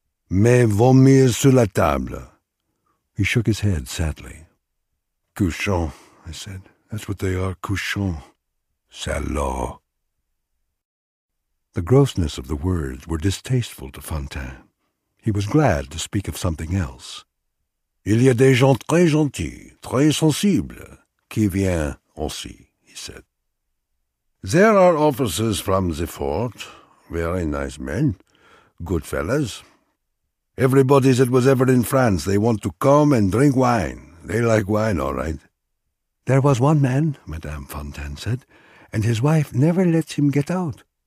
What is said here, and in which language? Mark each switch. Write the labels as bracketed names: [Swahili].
[French] Mais vomir sur la table. [English] He shook his head sadly. Couchant, I said. That's what they are, couchant. Salaud. The grossness of the words were distasteful to Fontaine. He was glad to speak of something else. [French] Il y a des gens très gentils, très sensibles, qui viennent aussi, he said. [English] There are officers from the fort, very nice men, good fellows. Everybody that was ever in France, they want to come and drink wine. They like wine, all right. There was one man, Madame Fontaine said, and his wife never lets him get out.